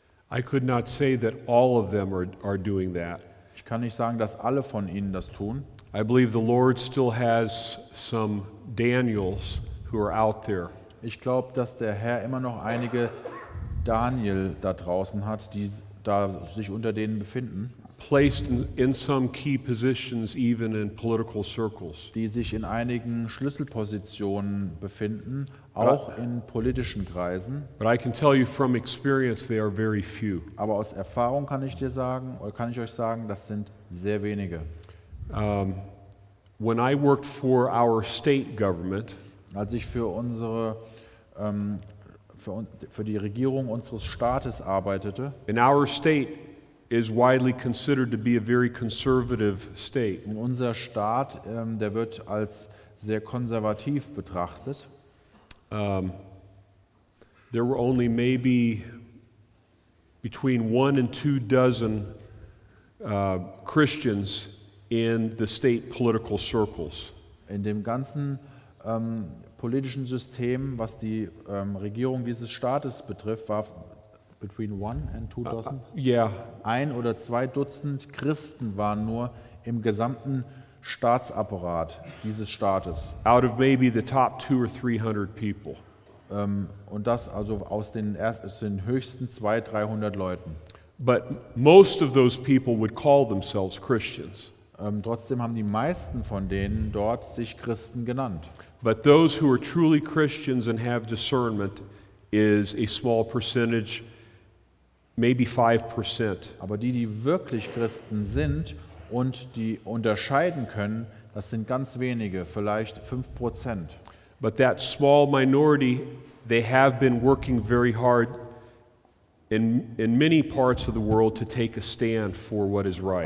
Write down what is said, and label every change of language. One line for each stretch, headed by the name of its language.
English: I could not say that all of them are doing that.
German: Ich kann nicht sagen, dass alle von ihnen das tun.
English: I believe the Lord still has some Daniels who are out there.
German: Ich glaube, dass der Herr immer noch einige Daniel da draußen hat, die da sich unter denen befinden.
English: Placed in some key positions, even in political circles.
German: Die sich in einigen Schlüsselpositionen befinden, auch in politischen Kreisen.
English: But I can tell you from experience, they are very few.
German: Aber aus Erfahrung kann ich dir sagen, oder kann ich euch sagen, das sind sehr wenige.
English: When I worked for our state government,
German: als ich für die Regierung unseres Staates arbeitete,
English: in our state. Is widely considered to be a very conservative state.
German: In unser Staat, der wird als sehr konservativ betrachtet.
English: There were only maybe between one and two dozen Christians in the state political circles.
German: In dem ganzen politischen System, was die Regierung dieses Staates betrifft, war
English: between one and two dozen.
German: Ein oder zwei Dutzend Christen waren nur im gesamten Staatsapparat dieses Staates.
English: Out of maybe the top 200 or 300 people.
German: Und das also aus den, höchsten 200-300 Leuten.
English: But most of those people would call themselves Christians.
German: Trotzdem haben die meisten von denen dort sich Christen genannt.
English: But those who are truly Christians and have discernment is a small percentage, maybe 5%.
German: Aber die, die wirklich Christen sind und die unterscheiden können, das sind ganz wenige, vielleicht 5%.
English: But that small minority, they have been working very hard in many parts of the world to take a stand for what is right.